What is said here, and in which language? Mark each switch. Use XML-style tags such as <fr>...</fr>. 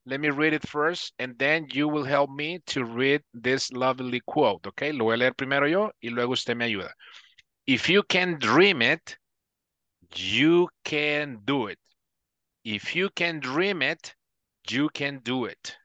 <en>Let me read it first, and then you will help me to read this lovely quote. Okay.</en> <es>Lo voy a leer primero yo, y luego usted me ayuda.</es> <en>If you can dream it, you can do it. If you can dream it, you can do it.</en>